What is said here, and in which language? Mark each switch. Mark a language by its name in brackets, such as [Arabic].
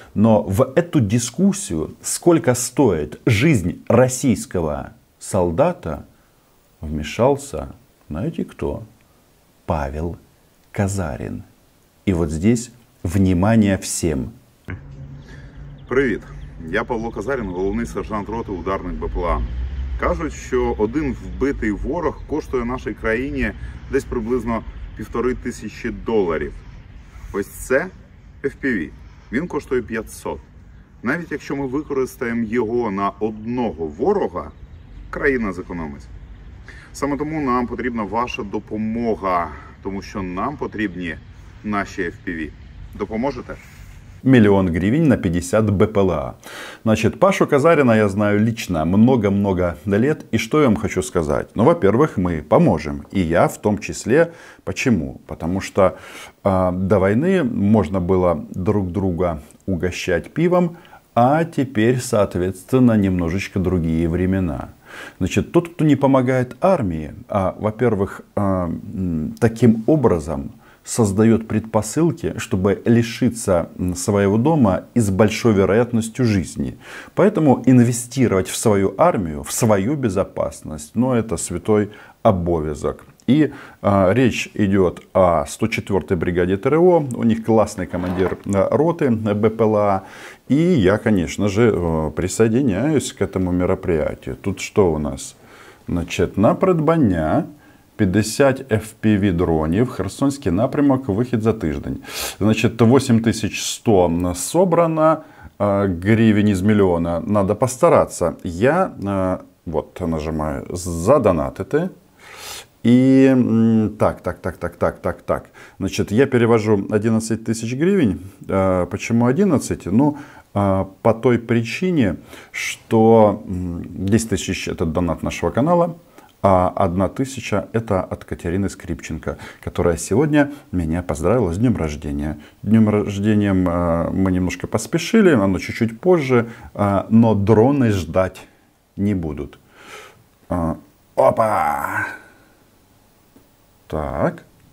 [Russian] Но в эту дискуссию, сколько стоит жизнь российского солдата, вмешался, знаете кто? Павел Казарин. И вот здесь внимание всем. [Ukrainian] Привіт. Я Павло Казарин, головний сержант роти ударних БПЛА. Кажуть, що один вбитий ворог коштує нашій країні десь приблизно 1500 доларів. Ось це FPV. він коштує 500. Навіть якщо ми використаємо його на одного ворога, країна зекономить. Саме тому нам потрібна ваша допомога, тому що нам потрібні наші FPV. Допоможете? 1 000 000 гривень на 50 БПЛА. [Russian] Значит, Пашу Казарина я знаю лично много-много лет. И что я вам хочу сказать? Ну, во-первых, мы поможем. И я в том числе. Почему? Потому что до войны можно было друг друга угощать пивом, а теперь, соответственно, немножечко другие времена. Значит, тот, кто не помогает армии, во-первых, таким образом создает предпосылки, чтобы лишиться своего дома и с большой вероятностью жизни. Поэтому инвестировать в свою армию, в свою безопасность, ну, это святой обовязок. И речь идет о 104-й бригаде ТРО, у них классный командир роты БПЛА. И я, конечно же, присоединяюсь к этому мероприятию. Тут что у нас? [Ukrainian] Значит, на предбання 50 FPV дронів, Херсонський напрямок, вихід за тиждень. Значить, 8100 собрано, гривень із мільйона. [Russian] Надо постаратися. Я вот нажимаю задонатити. [Ukrainian] І так. Значить, я перевожу 11000 гривень. Чому 11? Ну, по той причині, що 10000 – це донат нашого каналу. [Russian] А 1000 это от Катерины Скрипченко, которая сегодня меня поздравила с днем рождения. Днем рождения мы немножко поспешили, оно чуть-чуть позже, но дроны ждать не будут. Опа! Так.